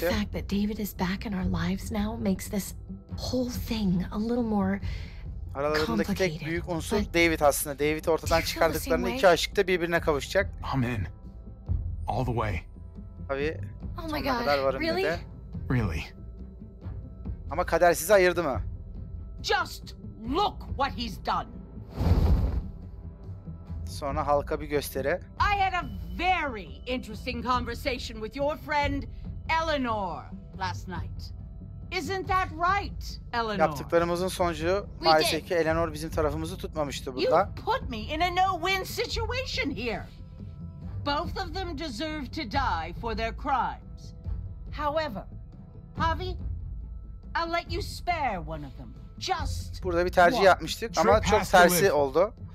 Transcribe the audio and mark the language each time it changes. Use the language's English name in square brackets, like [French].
[English] The fact that David is back in our lives now makes this whole thing a little more complicated. [Turkish] Aralarındaki tek büyük unsur David aslında. David ortadan çıkardıklarında iki aşık da birbirine kavuşacak. [English] I'm in. All the way. Tabii. Oh my god. Really? Really. [Turkish] Ama kader sizi ayırdı mı? [English] Just look what he's done. [Turkish] Sonra halka bir gösteri. [English] I had a very interesting conversation with your friend Eleanor last night. Isn't that right, Eleanor? [Turkish] Yaptıklarımızın sonucu maalesef ki Eleanor bizim tarafımızı tutmamıştı burada. [English] You put me in a no-win situation here. Both of them deserve to die for their crimes. However, Javi, I'll let you spare one of them. [Turkish] Just burada bir tercih yapmıştık ama çok tersi oldu.